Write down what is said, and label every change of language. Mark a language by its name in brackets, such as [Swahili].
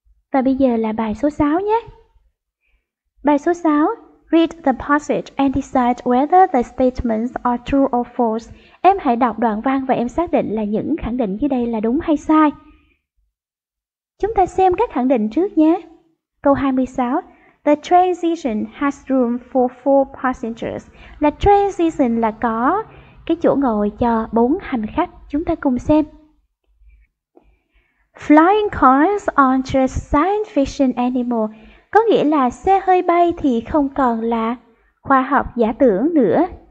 [Vietnamese] Và bây giờ là bài số 6 [English] nhé. Bài số 6, read the passage and decide whether the statements are true or false. [Vietnamese] Em hãy đọc đoạn văn và em xác định là những khẳng định dưới đây là đúng hay sai. Chúng ta xem các khẳng định trước nhé. Câu 26, [English] the train station has room for 4 passengers. [Vietnamese] Là train station là có cái chỗ ngồi cho 4 hành khách. Chúng ta cùng xem. [English] Flying cars aren't just science fiction anymore. [Vietnamese] Có nghĩa là xe hơi bay thì không còn là khoa học giả tưởng nữa.